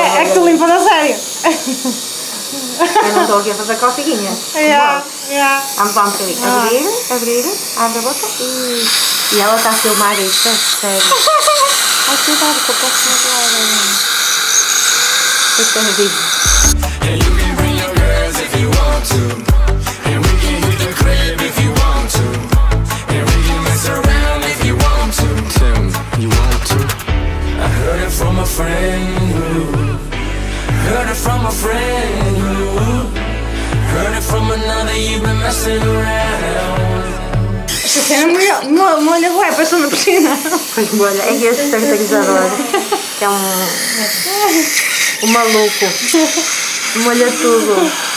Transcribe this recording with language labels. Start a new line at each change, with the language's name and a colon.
Portuguese: É que tu limpas a sério. Eu não estou aqui a fazer coceguinhas. Vamos lá, um bocadinho. Abre a boca. E ela está a filmar isto, é sério. Ai, cuidado, que eu posso me doar aí.
English: Yeah, you can bring your girls if you want to. And we can hit the crib if you want to. And we can mess around if you want to. Tim, you want to? I heard it from a friend who heard it from a friend who heard it from another you've been messing around.
Portuguese: Esta cena molha bué, passou na piscina. Pois molha, é esse caracterizador. Que é um maluco. Molha tudo.